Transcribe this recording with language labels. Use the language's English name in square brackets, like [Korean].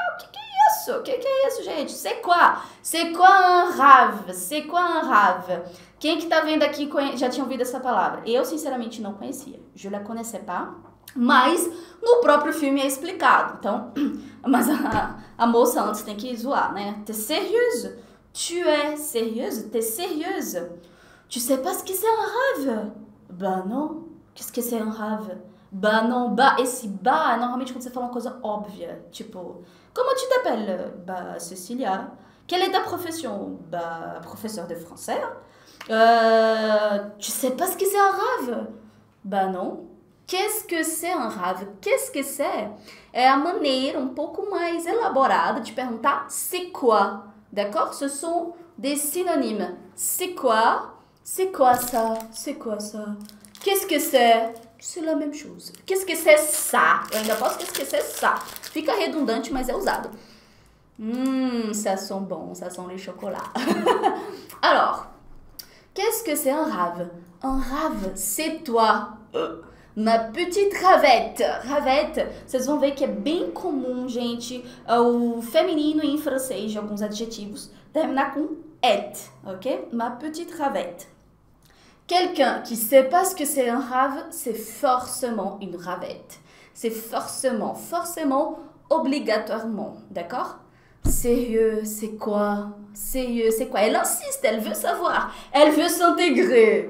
[Portuguese] O que é isso, gente? [French] C'est quoi? C'est quoi un rave? C'est quoi un rave? [Portuguese] Quem que tá vendo aqui já tinha ouvido essa palavra? Eu, sinceramente, não conhecia. [French] Je la connaissais pas. [Portuguese] Mas no próprio filme é explicado. Então, mas a moça antes tem que zoar, né? [French] T'es sérieuse? Tu es sérieuse? T'es sérieuse? Tu sais pas ce que c'est un rêve? Bah non. Qu'est-ce que c'est un rêve? Bah non. [Portuguese] Bah, esse bah é normalmente quando você fala uma coisa óbvia. [French] Tipo, como tu t'appelles? Bah, Cecilia. Quelle est ta profession? Bah, professeur de français. Tu sais pas ce que c'est un rêve? Bah non. Qu'est-ce que c'est un rêve? Qu'est-ce que c'est? [Portuguese] É a maneira um pouco mais elaborada de perguntar [French] c'est quoi? D'accord? Ce sont des synonymes. C'est quoi? C'est quoi ça? C'est quoi ça? Qu'est-ce que c'est? C'est la même chose. Qu'est-ce que c'est ça? [Portuguese] Eu ainda posso esquecer ça. Fica redundante, mas é usado. [French] Ça sent bon, ça sent le chocolat. Alors, qu'est-ce que c'est un rêve? Un rêve, c'est toi. Ma petite Ravette. [Portuguese] Ravette, vocês vão ver que é bem comum, gente, o feminino em francês, de alguns adjetivos, terminar com et, ok? [French] Ma petite Ravette. Quelqu'un qui sait pas ce que c'est un rêve, c'est forcément une Ravette. C'est forcément, forcément, obligatoirement, d'accord? Sérieux, c'est quoi? Sérieux, c'est quoi? Elle insiste, elle veut savoir, elle veut s'intégrer.